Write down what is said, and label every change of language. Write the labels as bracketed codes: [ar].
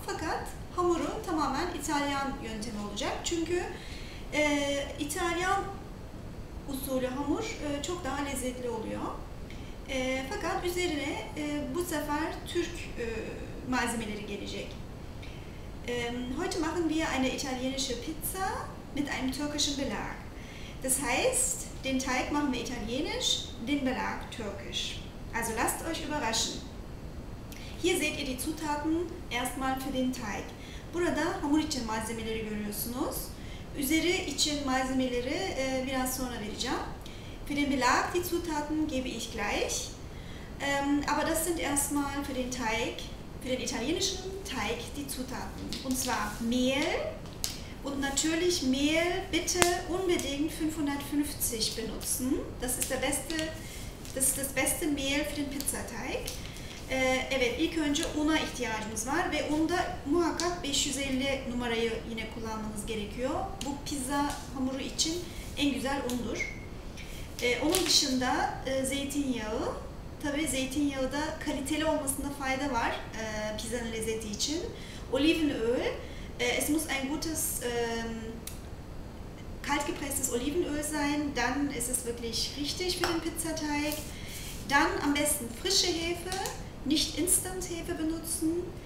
[tr] Fakat hamurun tamamen İtalyan yöntemi olacak. Çünkü İtalyan usulü hamur çok daha lezzetli oluyor. Fakat üzerine bu sefer Türk malzemeleri gelecek. [de] Heute machen wir eine italienische Pizza mit einem türkischen Belag. Das heißt, den Teig machen wir italienisch, den Belag türkisch. Also lasst euch überraschen. Hier seht ihr die Zutaten erstmal für den Teig. [tr] Burada hamur için malzemeleri görüyorsunuz. Üzeri için malzemeleri biraz sonra vereceğim. [de] Für den Belag die Zutaten gebe ich gleich. Aber das sind erstmal für den Teig, für den italienischen Teig die Zutaten. Und zwar Mehl. Und natürlich Mehl bitte unbedingt 550 benutzen. Das ist das beste Mehl für den Pizzateig. [tr] Evet, ilk önce una ihtiyacımız var ve unda muhakkak 550 numarayı yine kullanmanız gerekiyor. Bu pizza hamuru için en güzel undur. Onun dışında zeytinyağı. Tabii zeytinyağı da kaliteli olmasında fayda var pizzanın lezzeti için. [de] Olivenöl. Es muss ein gutes kaltgepresstes Olivenöl sein, dann ist es wirklich richtig für den Pizzateig. Dann am besten frische Hefe, nicht Instant-Hefe benutzen.